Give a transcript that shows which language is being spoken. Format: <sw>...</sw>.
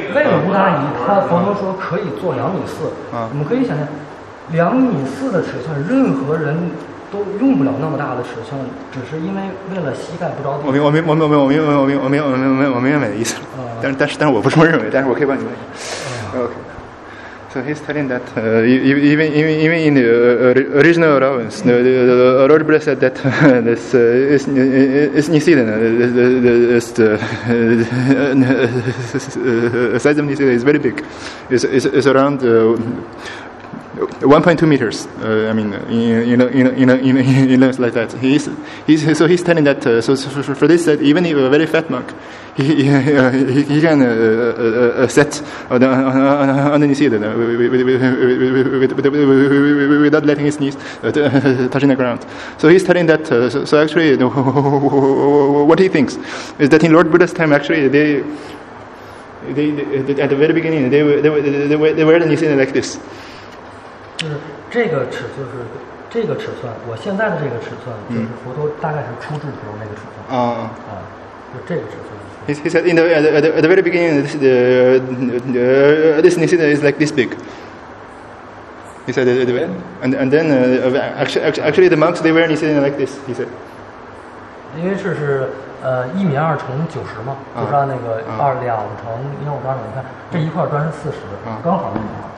<zh>为了乌达姨，他佛陀说可以做2.4米。啊，我们可以想象，2.4米的尺寸，任何人都用不了那么大的尺寸，只是因为了膝盖不着地。我明白你的意思了。但是我不这么认为，但是我可以帮你问。哎、</zh> <en>OK。 So he's telling that even in the original allowance, the Lord blessed that this is Nisidana, the size of Nisidana is very big. It's around 1.2 meters. I mean, in length like that. He's telling that for this set, even if a very fat monk, he can set on the Nisidana without letting his knees touching the ground. So he's telling that. So actually, what he thinks is that in Lord Buddha's time, actually they at the very beginning they were the Nisidana like this.</en> <zh>就是这个尺寸，是这个尺寸，我现在的这个尺寸，就是佛陀大概是初制的时候那个尺寸。啊啊，就这个尺寸。</zh> <en>He said in the very beginning, this Nisida is like this big. He said actually the monks they wear Nisida like this. He said.</en> <zh>因为这是1.2×90嘛，就是按那个2×2×1.5米，你看这一块砖是40，刚好那么大。</zh>